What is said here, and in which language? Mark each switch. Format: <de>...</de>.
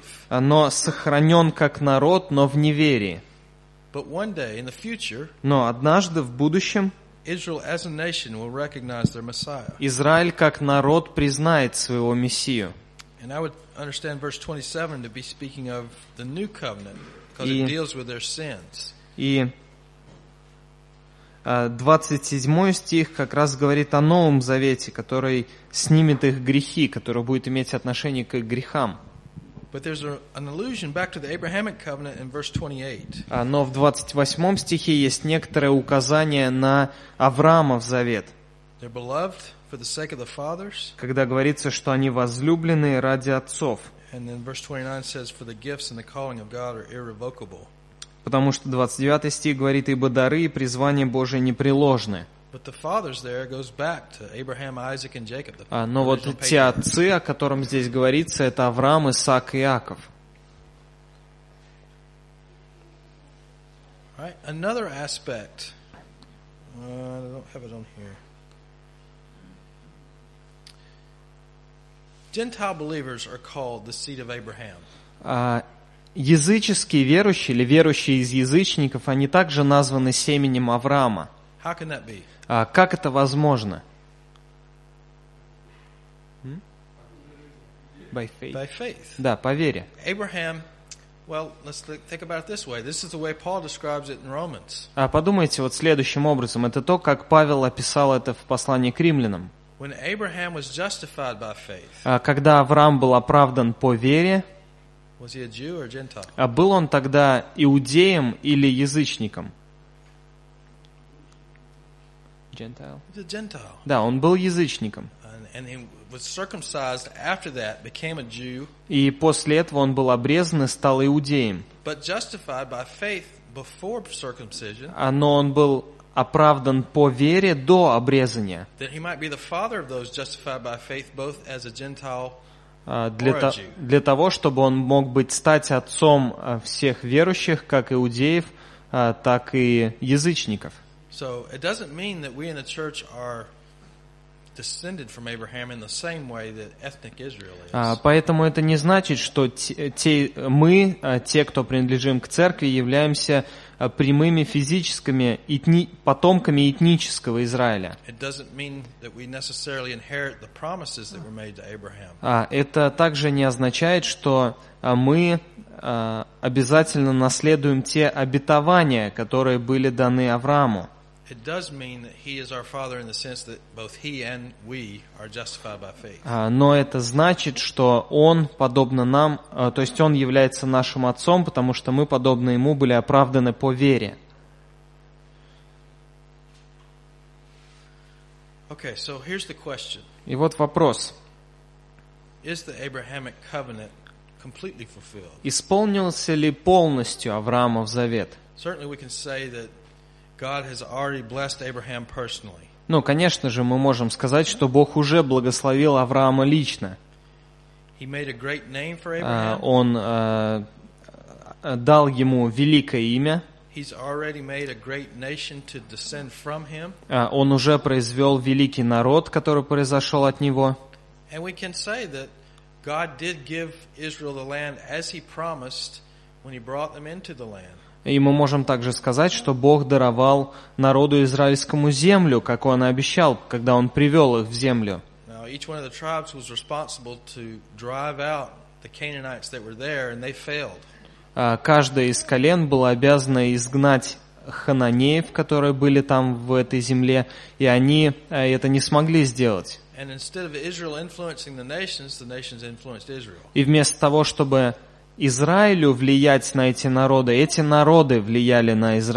<ru>Но сохранен как народ, но в неверии.</ru> <en>But one day in the future,</en> <ru>но однажды в будущем,</ru> <en>Israel as a nation will recognize their Messiah.</en> <ru>Израиль как народ признает своего Мессию.</ru> <en>And I would understand verse 27 to be speaking of the new covenant, because it deals with their sins.</en> <ru>И 27 стих как раз говорит о Новом Завете, который снимет их грехи, который будет иметь отношение к их грехам.</ru> <en>But there's an allusion back to the Abrahamic covenant in verse 28.</en> <ru>Но в 28 стихе есть некоторое указание на Авраамов завет.</ru> <en>They're beloved for the sake of the fathers.</en> <ru>Когда говорится, что они возлюблены ради отцов.</ru> <en>And then verse 29 says, for the gifts and the calling of God are irrevocable.</en> <ru>Потому что 29 стих говорит, ибо дары и призвание Божие непреложны.</ru> <en>But the fathers there goes back to Abraham, Isaac, and Jacob.</en> <ru>Но вот те отцы, о котором здесь говорится, это Авраам, Исаак и Иаков.</ru> <en>Right. Another aspect. I don't have it on here. Gentile believers are called the seed of Abraham.</en> <ru>Языческие верующие или верующие из язычников, они также названы семенем Авраама.</ru> <en>How can that be?</en> <ru>Как это возможно?</ru> <en>By faith. By faith.</en> <ru>Да, по вере.</ru> <en>Abraham, well, let's think about it this way. This is the way Paul describes it in Romans.</en> <ru>Подумайте вот следующим образом. Это то, как Павел описал это в послании к римлянам.</ru> <en>When Abraham was justified by faith.</en> <ru>Когда Авраам был оправдан по вере.</ru> <en>Was he a Jew or a Gentile?</en> <ru>Был он тогда иудеем или язычником?</ru> <en>He's a Gentile.</en> <ru>Да, он был язычником.</ru> <en>And he was circumcised after that, became a Jew.</en> <ru>И после этого он был обрезан и стал иудеем.</ru> <en>But justified by faith before circumcision.</en> <ru>Но он был оправдан по вере до обрезания.</ru> <en>That he might be the father of those justified by faith, both as a Gentile</en> <ru>Для, то, для того, чтобы он мог быть стать отцом всех верующих, как иудеев, так и язычников.</ru> <en>So it doesn't mean that we in the church are descended from Abraham in the same way that ethnic Israel is.</en> <ru>Поэтому это не значит, что те, кто принадлежим к церкви, являемся прямыми физическими потомками этнического Израиля.</ru> <en>It doesn't mean that we necessarily inherit the promises that were made to Abraham.</en> <ru>Это также не означает, что мы обязательно наследуем те обетования, которые были даны Аврааму.</ru> <en>It does mean that he is our father in the sense that both he and we are justified by faith.</en> <ru>Но это значит, что он подобно нам, то есть он является нашим отцом, потому что мы подобно ему были оправданы по вере.</ru> <en>Okay, so here's the question.</en> <ru>И вот вопрос.</ru> <en>is the Abrahamic covenant completely fulfilled?</en> <ru>Исполнился ли полностью Авраамов завет?</ru> <en>Certainly we can say that God has already blessed Abraham personally.</en> <ru>Ну, конечно же, мы можем сказать, что Бог уже благословил Авраама лично.</ru> <en>He made a great name for Abraham.</en> <ru>Он дал ему великое имя.</ru> <en>He's already made a great nation to descend from him.</en> <ru>Он уже произвел великий народ, который произошел от него.</ru> <en>And we can say that God did give Israel the land as he promised when he brought them into the land.</en> <ru>И мы можем также сказать, что Бог даровал народу израильскому землю, как он и обещал, когда он привел их в землю.</ru> <en>Now, each one of the tribes was responsible to drive out the Canaanites that were there, and they failed.</en> <ru>Каждая из колен была обязана изгнать хананеев, которые были там в этой земле, и они это не смогли сделать. И вместо того, чтобы Израилю влиять на эти народы влияли на</ru>